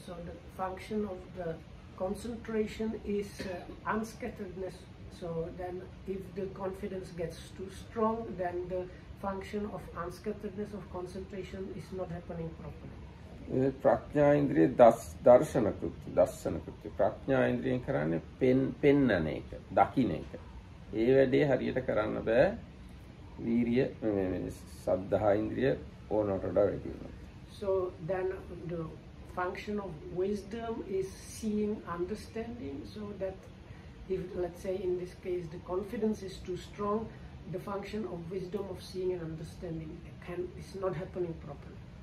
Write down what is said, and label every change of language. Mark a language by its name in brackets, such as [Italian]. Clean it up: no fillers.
[English] So the function of the concentration is unscatteredness. So then if the confidence gets too strong, then the function of unscatteredness of concentration is not happening properly. [Sinhala] ප්‍රඥා ඉන්ද්‍රිය දර්ශන කෘත්‍ය. ප්‍රඥා ඉන්ද්‍රියෙන් කරන්නේ පෙන්නන එක, දකින්න එක. ඒ වැඩේ හරියට කරන්න බෑ. වීරිය සද්ධා ඉන්ද්‍රිය ඕනට වඩා වැඩි වෙනවා. [English] So then the function of wisdom is seeing, understanding, so that if let's say in this case the confidence is too strong, the function of wisdom of seeing and understanding can is not happening properly.